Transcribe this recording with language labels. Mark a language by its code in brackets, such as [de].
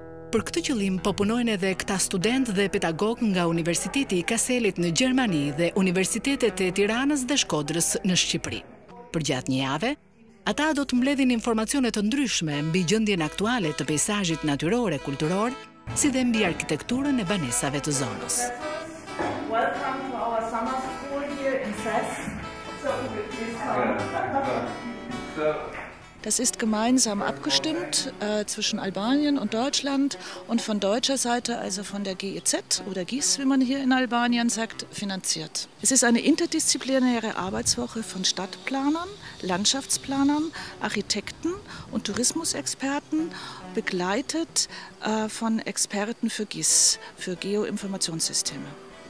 [sq] Për këtë qëllim po punojnë edhe këta student dhe pedagog nga Universiteti i Kasselit në Gjermani dhe Universitetet e Tiranës dhe Shkodrës në Shqipëri. Përgjatë një jave, ata do të mbledhin informacione të ndryshme mbi gjendjen aktuale të peizazhit natyror e kulturor, si dhe mbi arkitekturën e banesave të zonës. [en] Welcome to our summer school here in Sess. So, [de] Das ist gemeinsam abgestimmt zwischen Albanien und Deutschland und von deutscher Seite, also von der GEZ oder GIS, wie man hier in Albanien sagt, finanziert. Es ist eine interdisziplinäre Arbeitswoche von Stadtplanern, Landschaftsplanern, Architekten und Tourismusexperten, begleitet von Experten für GIS, für Geoinformationssysteme.